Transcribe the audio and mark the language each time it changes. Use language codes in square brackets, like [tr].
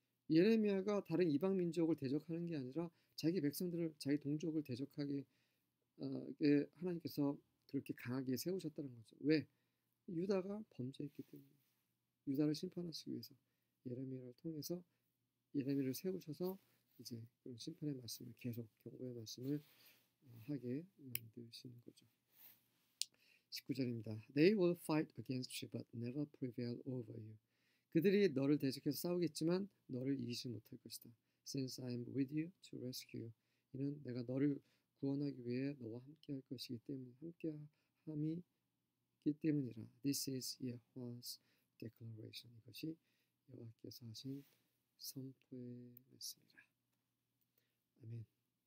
[ko] 예레미야가 다른 이방 민족을 대적하는 게 아니라 자기 백성들을, 자기 동족을 대적하게 하나님께서 그렇게 강하게 세우셨다는 거죠. 왜? 유다가 범죄했기 때문에. 유다를 심판하시기 위해서 예레미야를 통해서 예레미야를 세우셔서 이제 그런 심판의 말씀을 계속 경고의 말씀을 하게 만드시는 거죠. 19절입니다. [en] They will fight against you but never prevail over you. [ko] 그들이 너를 대적해서 싸우겠지만 너를 이기지 못할 것이다. [en] Since I am with you to rescue you. [ko] 이는 내가 너를 구원하기 위해 너와 함께 할 것이기 때문에 함께함이기 때문이라. [en] This is Yahweh's declaration. [ko] 이것이 여호와께서 하신 선포의 말씀이라. 아멘.